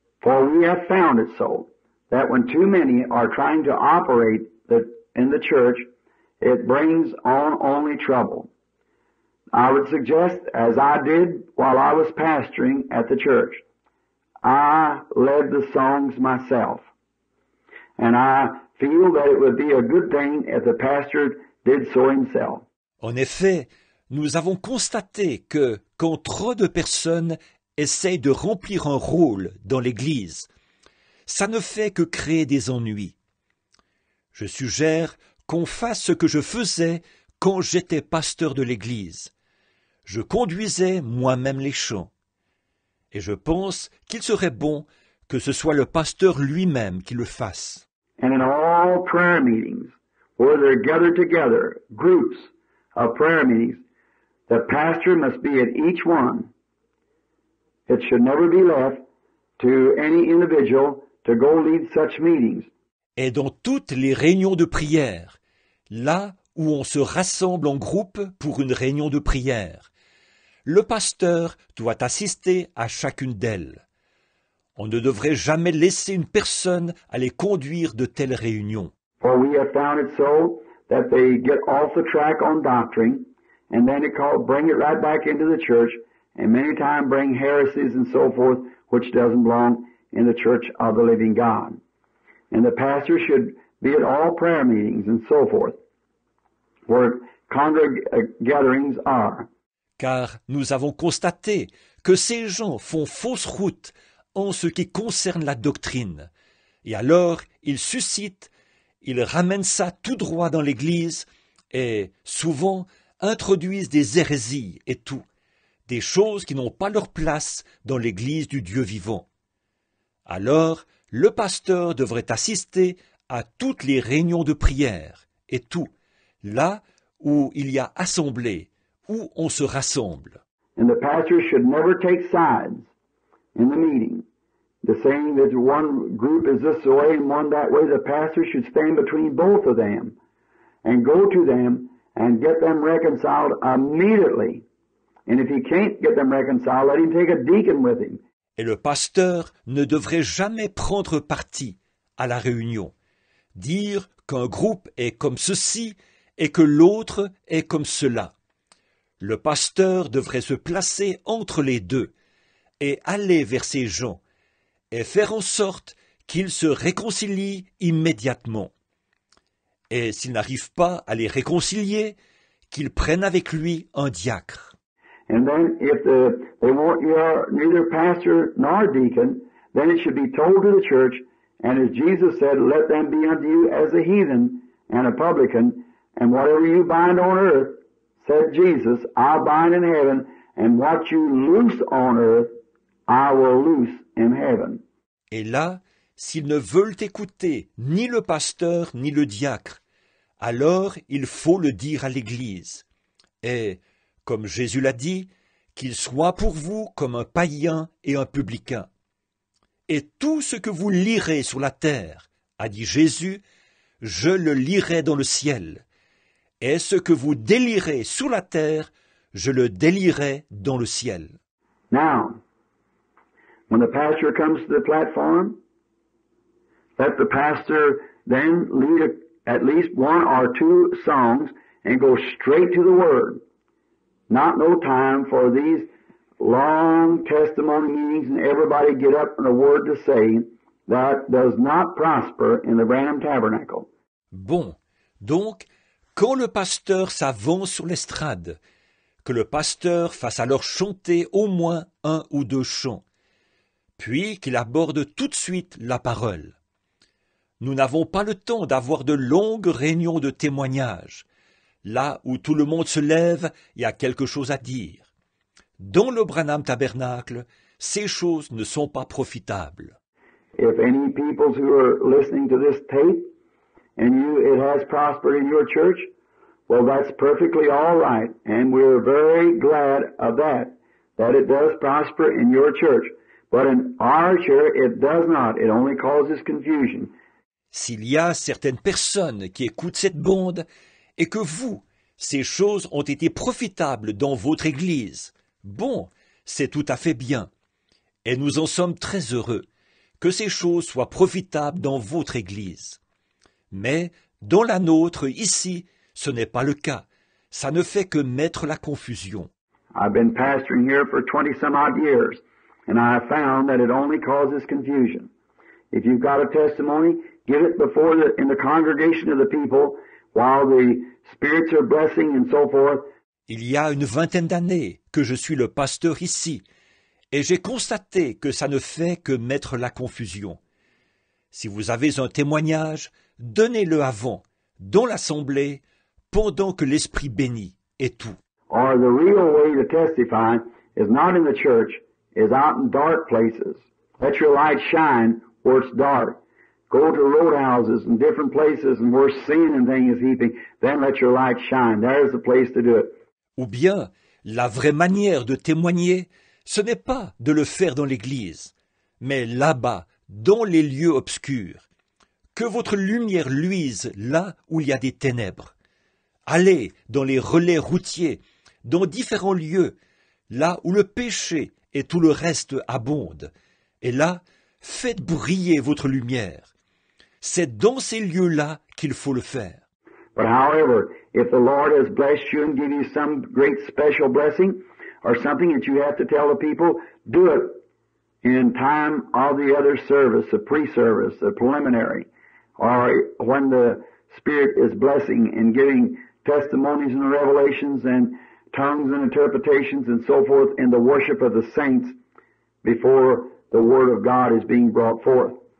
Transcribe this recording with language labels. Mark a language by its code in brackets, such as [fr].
[en] For we have found it so, that when too many are trying to operate in the church, it brings on only trouble. I would suggest, as I did while I was pastoring at the church, I led the songs myself. And I feel that it would be a good thing if the pastor did so himself. [fr] En effet, nous avons constaté que quand trop de personnes essayent de remplir un rôle dans l'Église, ça ne fait que créer des ennuis. Je suggère qu'on fasse ce que je faisais quand j'étais pasteur de l'Église. Je conduisais moi-même les chants. Et je pense qu'il serait bon que ce soit le pasteur lui-même qui le fasse. [en] And in all prayer meetings, where they're gathered together, groups of prayer meetings, the pastor must be at each one. It should never be left to any individual to go lead such meetings. [fr] Et dans toutes les réunions de prière, là où on se rassemble en groupe pour une réunion de prière, le pasteur doit assister à chacune d'elles. On ne devrait jamais laisser une personne aller conduire de telles réunions. [en] For we have found it so that they get off the track on doctrine, and then bring it right back into the church, and many times bring heresies and so forth, which doesn't belong in the church of the living God. And the pastor should be at all prayer meetings and so forth, where gatherings are. [fr] Car nous avons constaté que ces gens font fausse route en ce qui concerne la doctrine. Et alors, ils ramènent ça tout droit dans l'Église et souvent introduisent des hérésies et tout, des choses qui n'ont pas leur place dans l'Église du Dieu vivant. Alors, le pasteur devrait assister à toutes les réunions de prière et tout, là où il y a assemblée, où on se rassemble. [en] And the pastor should never take sides in the meeting. The saying that one group is this way and one that way, the pastor should stand between both of them and go to them and get them reconciled immediately. And if he can't get them reconciled, let him take a deacon with him. [fr] Et le pasteur ne devrait jamais prendre parti à la réunion, dire qu'un groupe est comme ceci et que l'autre est comme cela. Le pasteur devrait se placer entre les deux et aller vers ces gens et faire en sorte qu'ils se réconcilient immédiatement. Et s'il n'arrive pas à les réconcilier, qu'il prenne avec lui un diacre. [en] And then if they want neither pastor nor deacon, then it should be told to the church, and as Jesus said, let them be unto you as a heathen and a publican, and whatever you bind on earth, said Jesus, I'll bind in heaven, and what you loose on earth, I will loose in heaven. [fr] Et là, s'ils ne veulent écouter ni le pasteur ni le diacre, alors il faut le dire à l'Église. Et, comme Jésus l'a dit, qu'il soit pour vous comme un païen et un publicain. Et tout ce que vous lirez sur la terre, a dit Jésus, je le lirai dans le ciel. Et ce que vous délirez sur la terre, je le délirai dans le ciel. [en] Now, when the pastor comes to the platform, Let the pastor then lead at least one or two songs and go straight to the Word. Not no time for these long testimony meetings and everybody get up and a word to say. That does not prosper in the Branham Tabernacle. [fr] Bon, donc, quand le pasteur s'avance sur l'estrade, que le pasteur fasse alors chanter au moins un ou deux chants, puis qu'il aborde tout de suite la parole. Nous n'avons pas le temps d'avoir de longues réunions de témoignages, là où tout le monde se lève et a quelque chose à dire. Dans le Branham Tabernacle, ces choses ne sont pas profitables. [en] If any people who are listening to this tape and you, it has prospered in your church, well, that's perfectly all right, and we're very glad of that, that it does prosper in your church. But in our church, it does not. It only causes confusion. [fr] S'il y a certaines personnes qui écoutent cette bande et que vous, ces choses ont été profitables dans votre église, bon, c'est tout à fait bien. Et nous en sommes très heureux que ces choses soient profitables dans votre église. Mais dans la nôtre, ici, ce n'est pas le cas. Ça ne fait que mettre la confusion. [en] I've been pastoring here for 20-some-odd years, and I have found that it only causes confusion. If you've got a testimony, give it before in the congregation of the people, while the spirits are blessing and so forth. [fr] Il y a une vingtaine d'années que je suis le pasteur ici, et j'ai constaté que ça ne fait que mettre la confusion. Si vous avez un témoignage, donnez-le avant, dans l'assemblée, pendant que l'Esprit bénit, et tout. [en] Or the real way to testify is not in the church, is out in dark places. Let your light shine where it's dark. Go to roadhouses and different places and where sin and things is heaping. Then let your light shine. There is the place to do it. [fr] Ou bien, la vraie manière de témoigner, ce n'est pas de le faire dans l'église, mais là-bas, dans les lieux obscurs. Que votre lumière luise là où il y a des ténèbres. Allez dans les relais routiers, dans différents lieux, là où le péché et tout le reste abondent. Et là, faites briller votre lumière. C'est dans ces lieux-là qu'il faut le faire. [en] But however, if the Lord has blessed you and given you some great special blessing or something that you have to tell the people, do it in time of the other service, the pre-service, the preliminary. Or when the Spirit is blessing and giving testimonies and revelations and tongues and interpretations and so forth in the worship of the saints before the Word of God is being brought forth.